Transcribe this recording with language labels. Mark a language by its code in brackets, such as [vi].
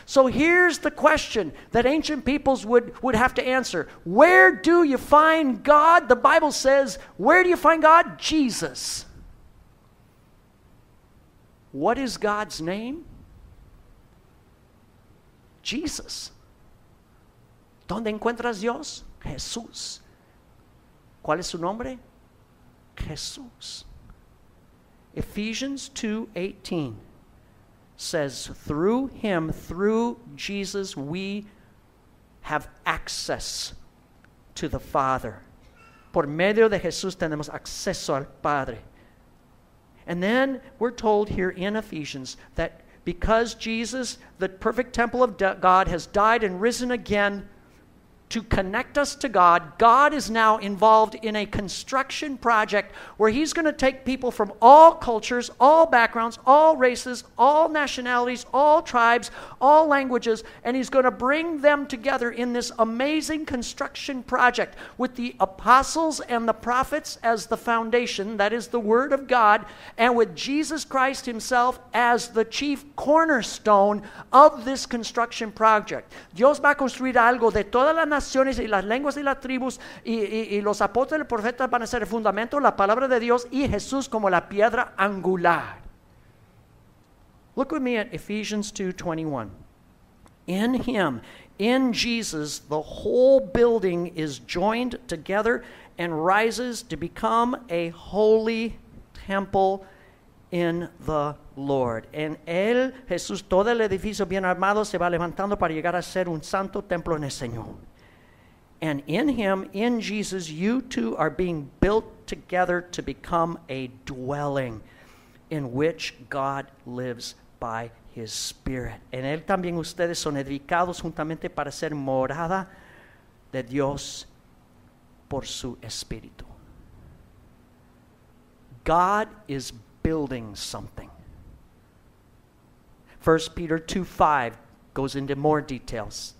[en] So here's the question that ancient peoples would have to answer. Where do you find God? The Bible says, where do you find God? Jesus. What is God's name? Jesus. [es] ¿Dónde encuentras Dios? Jesús. ¿Cuál es su nombre? [en] Jesús. Ephesians 2:18. Says, through him, through Jesus, we have access to the Father. [es] Por medio de Jesús tenemos acceso al Padre. [en] And then we're told here in Ephesians that because Jesus, the perfect temple of God, has died and risen again to connect us to God, God is now involved in a construction project where he's going to take people from all cultures, all backgrounds, all races, all nationalities, all tribes, all languages, and he's going to bring them together in this amazing construction project with the apostles and the prophets as the foundation, that is the Word of God, and with Jesus Christ himself as the chief cornerstone of this construction project. [es] Dios va a construir algo de toda la naciones y las lenguas y las tribus y los apóstoles y profetas van a ser el fundamento, la palabra de Dios y Jesús como la piedra angular. [en] Look with me at Ephesians 2:21. In him, in Jesus, the whole building is joined together and rises to become a holy temple in the Lord. [es] En él, Jesús, todo el edificio bien armado se va levantando para llegar a ser un santo templo en el Señor. [en] And in him, in Jesus, you two are being built together to become a dwelling in which God lives by his Spirit. [es] En él también ustedes son edificados juntamente para ser morada de Dios por su Espíritu. [en] God is building something. 1 Peter 2:5 goes into more details.